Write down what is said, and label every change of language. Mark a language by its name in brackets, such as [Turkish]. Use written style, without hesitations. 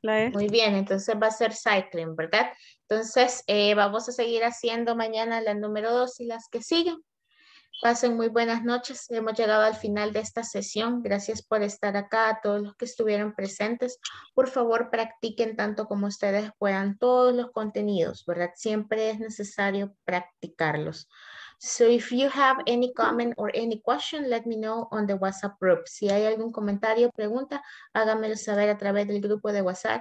[Spanish] Muy bien, entonces va a ser cycling, ¿verdad? Entonces vamos a seguir haciendo mañana la número 2 y las que siguen. Pasen muy buenas noches. Hemos llegado al final de esta sesión. Gracias por estar acá, a todos los que estuvieron presentes. Por favor, practiquen tanto como ustedes puedan todos los contenidos, ¿verdad? Siempre es necesario practicarlos. [English] So if you have any comment or any question, let me know on the WhatsApp group. [Spanish] Si hay algún comentario o pregunta, háganmelo saber a través del grupo de WhatsApp.